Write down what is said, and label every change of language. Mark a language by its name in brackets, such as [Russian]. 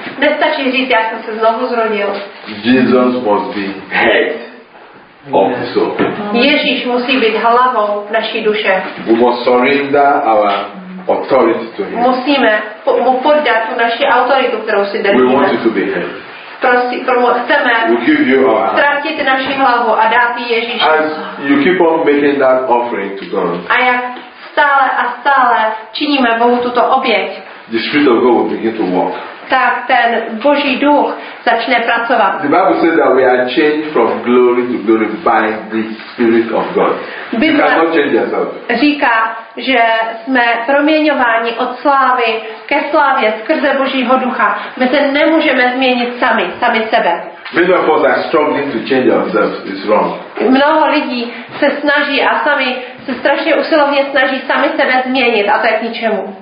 [Czech] Nestačí říct, já jsem se znovu zrodil. [English] Jesus must be head of the soul. [Czech] Ježíš musí být hlavou naší duše. [English] We must surrender our authority to him. [Czech] Musíme mu poddat tu naši autoritu, kterou si držíme. [English] We want you to be him. [Czech] Chceme ztratit naši hlavu a dát ji Ježíši. [English] As you keep on making that offering to God. [Czech] A jak stále a stále činíme Bohu tuto oběť. [English] The Spirit of God will begin to work. [Czech] tak ten Boží duch začne pracovat. [English] The Bible says that we are changed from glory to glory by the Spirit of God. [Czech] Bible [English] cannot change ourselves. [Czech] Říká, že jsme proměňováni od slávy ke slávě skrze Božího ducha. My se nemůžeme změnit sami sebe. [English] Many of us are struggling to change ourselves. It's wrong. [Czech] Mnoho lidí se snaží a sami se strašně usilovně snaží sami sebe změnit a to je k ničemu.